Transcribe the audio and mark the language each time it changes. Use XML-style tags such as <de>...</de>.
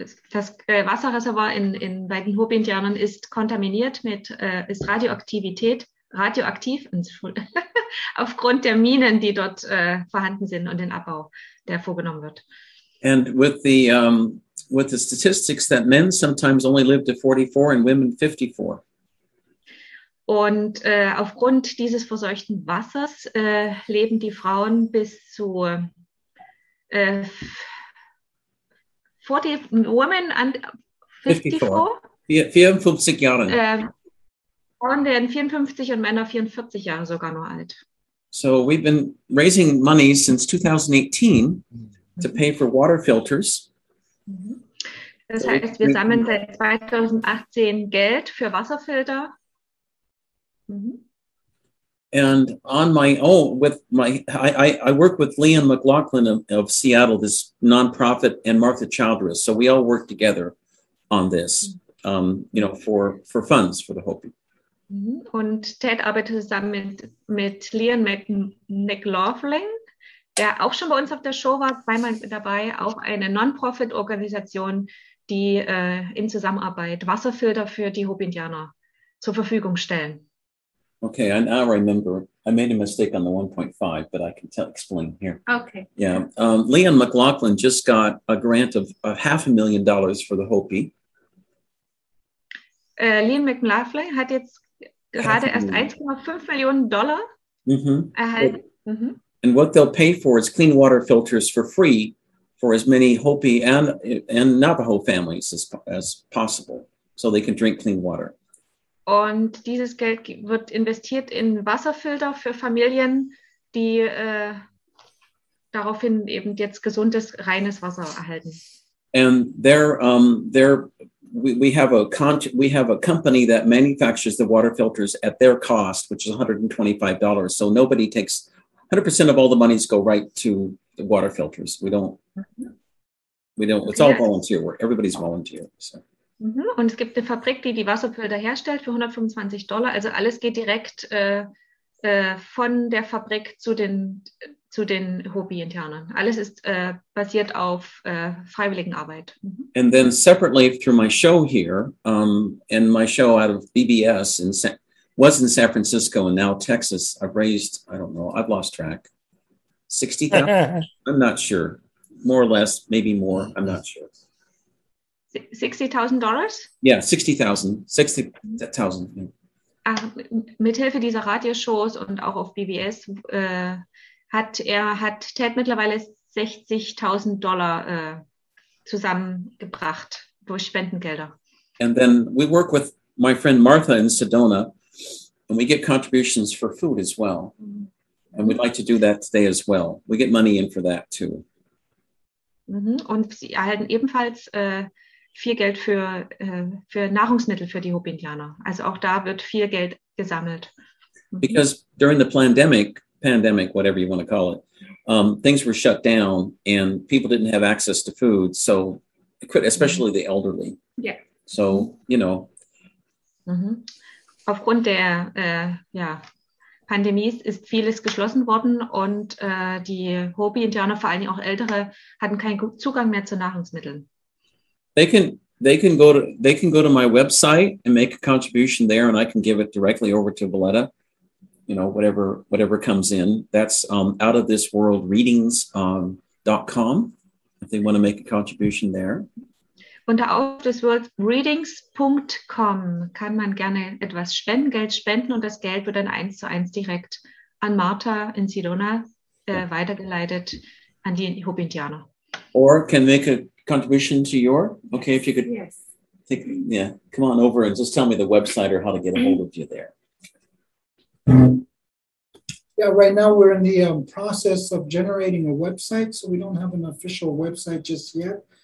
<de>Das Wasserreservoir bei den Hopi-Indianern ist kontaminiert ist radioaktiv aufgrund der Minen, die dort vorhanden sind und den Abbau, der vorgenommen wird.</de> <en>And with the statistics that men sometimes only live to 44 and women 54.</en> <de>Und aufgrund dieses verseuchten Wassers leben die Frauen bis zu 40</de> <en>women and</en> <de>54? 54 Jahre. Und dann 54 und Männer 44 Jahre sogar nur alt.</de> <en>So we've been raising money since 2018 to pay for water filters.</en> <de>Das heißt, wir sammeln seit 2018 Geld für Wasserfilter.</de> <en>And on my own, I work with Leon McLaughlin of Seattle, this nonprofit, and Martha Childress. So we all work together on this, for funds for the Hopi.</en> <de>Und Ted arbeitet zusammen mit Leon McLaughlin, der auch schon bei uns auf der Show war, zweimal dabei, auch eine Nonprofit-Organisation, die in Zusammenarbeit Wasserfilter für die Hopi-Indianer zur Verfügung stellen.</de> <en>Okay, I now remember. I made a mistake on the 1.5, but I can explain here. Okay. Yeah, Leon McLaughlin just got a grant of $500,000 for the Hopi.</en> <de>Leon McLaughlin hat jetzt gerade erst 1,5 Millionen Dollar erhalten.</de> <en>And what they'll pay for is clean water filters for free for as many Hopi and Navajo families as possible, so they can drink clean water.</en> <de>Und dieses Geld wird investiert in Wasserfilter für Familien, die daraufhin eben jetzt gesundes, reines Wasser erhalten.</de> <en>And we have a company that manufactures the water filters at their cost, which is $125. So nobody takes 100% of all the monies go right to the water filters. It's all volunteer work. Everybody's volunteer. So.</en> <de>Und es gibt eine Fabrik, die Wasserfilter herstellt für $125. Also alles geht direkt von der Fabrik zu den Hopi-Internen. Alles ist basiert auf freiwilligen Arbeit.</de> <en>And then separately through my show here, and my show out of BBS was in San Francisco and now Texas, I've raised, I don't know, I've lost track, $60,000? I'm not sure. More or less, maybe more, I'm not sure. $60,000? Yeah, $60,000.</en> <de>Mithilfe dieser Radioshows und auch auf BBS hat Ted mittlerweile $60,000 zusammengebracht durch Spendengelder.</de> <en>And then we work with my friend Martha in Sedona, and we get contributions for food as well. And we'd like to do that today as well. We get money in for that too.</en> <de>Und sie erhalten ebenfalls viel Geld für Nahrungsmittel für die Hopi-Indianer. Also auch da wird viel Geld gesammelt.</de> <en>Because during the pandemic, whatever you want to call it, things were shut down and people didn't have access to food, so especially the elderly. Yeah. So,</en> <de>Aufgrund der Pandemie ist vieles geschlossen worden und die Hopi-Indianer, vor allem auch Ältere, hatten keinen Zugang mehr zu Nahrungsmitteln.</de> <en>They can go to my website and make a contribution there, and I can give it directly over to Valletta. You know, whatever comes in. That's outofthisworldreadings.com if they want to make a contribution there.</en> <de>Unter outofthisworldreadings.com kann man gerne etwas spenden, Geld spenden, und das Geld wird dann 1:1 direkt an Martha in Sirona weitergeleitet, an die Hopi-Indianer.</de> <en>Or can make a contribution to your, okay, if you could. Yes. Take, yeah, come on over and just tell me the website or how to get a hold of you there. Yeah, right now we're in the process of generating a website, so we don't have an official website just yet.</en>